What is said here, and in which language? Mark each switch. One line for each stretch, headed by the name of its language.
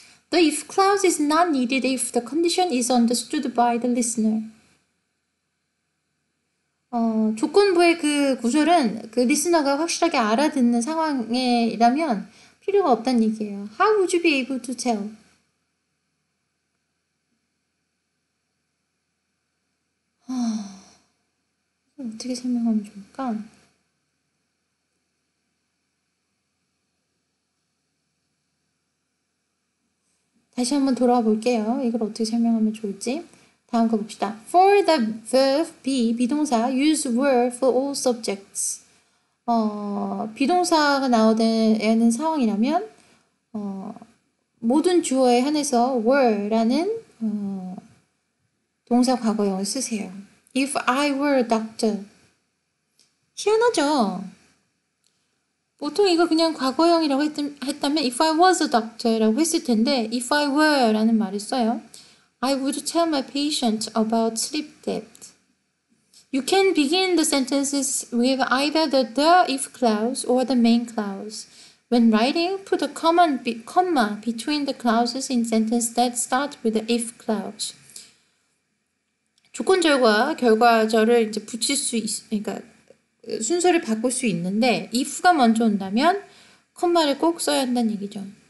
English: The if clause is not needed if the condition is understood by the listener.
Korean: 조건부의 그 구절은 그 리스너가 확실하게 알아듣는 상황이라면 필요가 없다는 얘기예요.
English: How would you be able to tell?
Korean: 어떻게 설명하면 좋을까? 다시 한번 돌아와 볼게요. 이걸 어떻게 설명하면 좋을지. 다음 거 봅시다.
English: For the verb be, 비동사, use were for all subjects.
Korean: 비동사가 나오는 상황이라면 모든 주어에 한해서 were라는 동사 과거형을 쓰세요.
English: If I were a doctor.
Korean: 희한하죠? 보통 이거 그냥 과거형이라고 했다면
English: If I was a doctor
Korean: 라고 했을 텐데
English: If I were
Korean: 라는 말을 써요.
English: I would tell my patient about sleep debt. You can begin the sentences with either the if clause or the main clause. When writing, put a comma between the clauses in sentence that start with the if clause.
Korean: 조건절과 결과절을 이제 붙일 수 그러니까 순서를 바꿀 수 있는데 if가 먼저 온다면 콤마를 꼭 써야 한다는 얘기죠.